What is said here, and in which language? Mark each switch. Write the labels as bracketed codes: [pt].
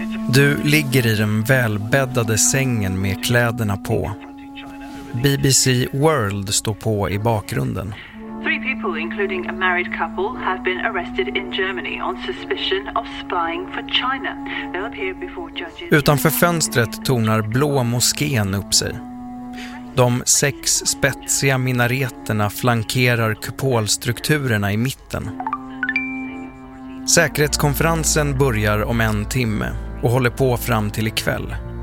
[sv] Du ligger i den välbäddade sängen med kläderna på. BBC World står på i bakgrunden. [en] Three people, including a married couple, have been arrested in Germany on suspicion of spying for China. They'll appear before judges. [sv] Utanför fönstret tornar blå moskén upp sig. De sex spetsiga minareterna flankerar kupolstrukturerna i mitten. Säkerhetskonferensen börjar om en timme och håller på fram till ikväll.